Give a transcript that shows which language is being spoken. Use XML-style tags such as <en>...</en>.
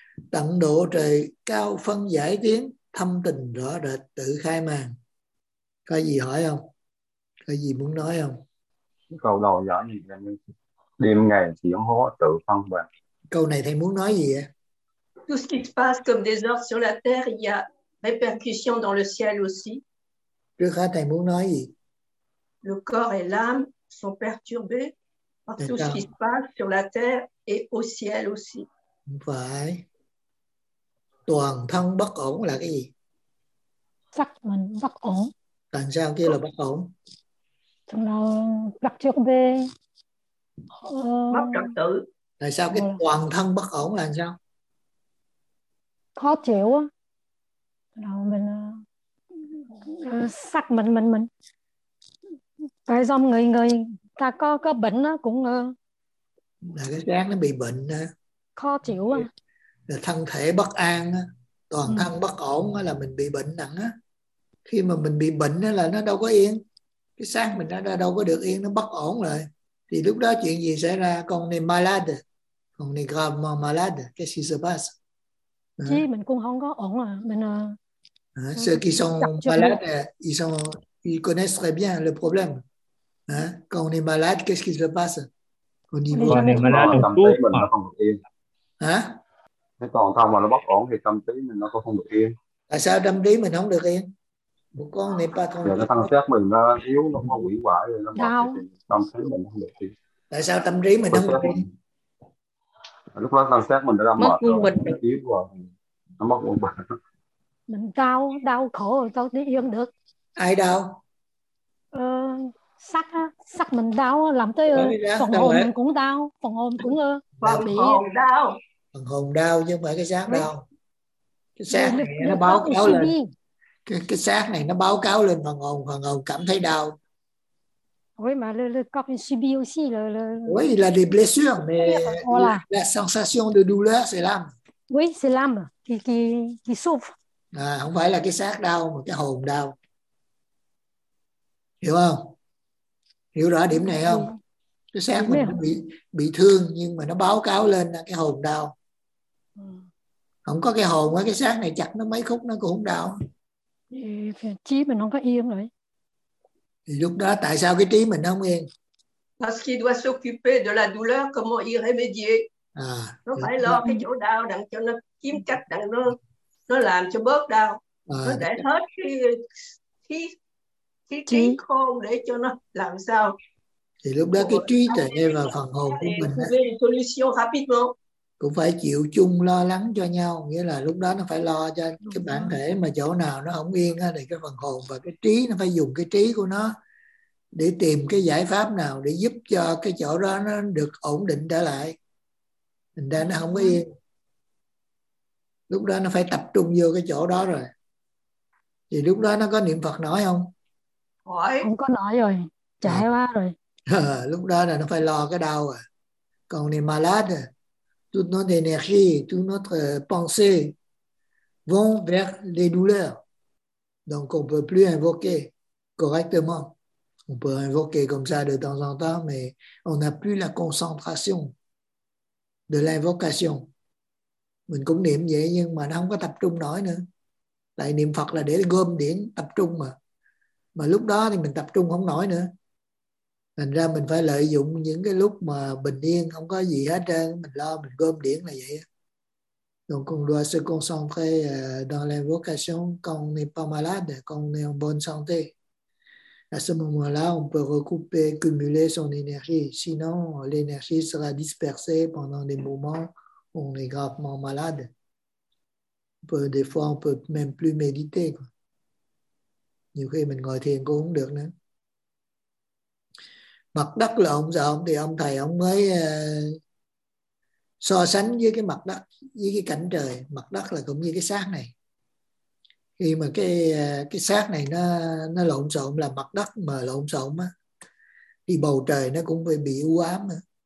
<vi>Tận độ trời cao phân giải tiến, thâm tình rõ rệt tự khai màn. Có gì hỏi không? Có gì muốn nói không? Câu đầu nhỏ gì em? Đêm ngày tiếng hô tự phân biệt. Câu này thầy muốn nói gì vậy?</vi> <fr>Tout ce qui se passe comme des ordres sur la terre, il y a répercussions dans le ciel aussi.</fr> <vi>Trước hết thầy muốn nói gì?</vi> <fr>Le corps et l'âme sont perturbés par tout ce qui se passe sur la terre et au ciel aussi.</fr> <vi>Phải. Toàn thân bất ổn là cái gì? Chắc mình bất ổn. Tại sao kia là bất ổn? Chúng nó bắt trước bê. Mất trật tự. Tại sao cái toàn thân bất ổn là sao? Khó chịu á. Nó mình sắc mình. Tại do người ta có bệnh á cũng là cái xác nó bị bệnh á. Khó chịu á. Là thân thể bất an á, toàn thân bất ổn á là mình bị bệnh nặng á. Khi mà mình bị bệnh á là nó đâu có yên. Cái xác mình nó đâu có được yên, nó bất ổn rồi. Thì lúc đó chuyện gì xảy ra? Con này malade. Con này</vi> <fr>gravement malade.</fr> <vi>Cái gì</vi> <fr>se passe?</fr> <vi>Chứ mình cũng không có ổn à. Mình</vi> <fr>ceux qui sont malades, ils connaissent très bien le problème. Quand on est malade, qu'est-ce qui se passe? Quand on est malade,</fr> <vi>tâm trí mình nó không được yên. Hả? Cái toàn thân mà nó bất ổn thì tâm trí mình nó cũng không được yên. Tại sao tâm trí mình không được yên? Một con này ba con. Giờ cái thân xác mình nó yếu, nó không quỷ quái, nó mệt, tâm trí mình không được yên. Tại sao tâm trí mình không được yên? Lúc đó thân xác mình đã mệt, mất quân bình, nó yếu rồi, nó mất quân bình. Mình đau, đau khổ rồi sao đi yên được? Ai đau? Sắc á, sắc mình đau làm tới phần hồn mình cũng đau, phần hồn cũng phần hồn đau. Phần hồn đau chứ không phải cái xác đau. Cái xác này nó báo cáo lên. Cái xác này nó báo cáo lên phần hồn cảm thấy đau.</vi> <fr>Oui, mais le corps il subit aussi le. Oui, il a des blessures, mais voilà. La sensation de douleur, c'est l'âme. Oui, c'est l'âme qui souffre.</fr> <vi>À, không phải là cái xác đau mà cái hồn đau. Hiểu không? Hiểu rõ điểm này không? Cái xác mình nó bị thương nhưng mà nó báo cáo lên là cái hồn đau. Không có cái hồn, cái xác này chặt nó mấy khúc nó cũng không đau. Trí mình không có yên rồi. Thì lúc đó tại sao cái trí mình không yên?</vi> <fr>Parce qu'il doit s'occuper de la douleur, comment y remédier. À,</fr> <vi>nó phải lo cái chỗ đau đặng cho nó kiếm cách đặng nó làm cho bớt đau. À, nó để hết cái trí khôn để cho nó làm sao. Thì lúc đó cái trí tuệ và phần hồn của mình cũng phải chịu chung lo lắng cho nhau. Nghĩa là lúc đó nó phải lo cho cái bản thể mà chỗ nào nó không yên á, thì cái phần hồn và cái trí nó phải dùng cái trí của nó để tìm cái giải pháp nào để giúp cho cái chỗ đó nó được ổn định trở lại. Thành ra nó không có yên. Lúc đó nó phải tập trung vô cái chỗ đó rồi. Thì lúc đó nó có niệm Phật nói không? Không có nói rồi. Trải qua rồi. Lúc đó là nó phải lo cái đau à. Còn niệm</vi> <fr>malade, toute notre énergie, toute notre pensée vont vers les douleurs. Donc on ne peut plus invoquer correctement. On peut invoquer comme ça de temps en temps, mais on n'a plus la concentration de l'invocation.</fr> <vi>Mình cũng niệm vậy nhưng mà nó không có tập trung nổi nữa. Tại niệm Phật là để gom điển tập trung mà. Mà lúc đó thì mình tập trung không nổi nữa. Thành ra mình phải lợi dụng những cái lúc mà bình yên, không có gì hết trơn, mình lo, mình gom điển là vậy.</vi> <fr>Donc on doit se concentrer dans l'invocation quand on n'est pas malade, quand on est en bonne santé. À ce moment-là, on peut recouper, cumuler son énergie. Sinon, l'énergie sera dispersée pendant des moments où on est gravement malade. Des fois, on ne peut même plus méditer.</fr> <vi>Nhiều khi mình ngồi thiền cũng không được nữa. Mặt đất là ông già ông, thì ông thầy ông mới so sánh với cái mặt đất, với cái cảnh trời. Mặt đất là cũng như cái xác này. Khi mà cái xác này nó lộn xộn, là mặt đất mà lộn xộn á, thì bầu trời nó cũng bị u ám á.</vi>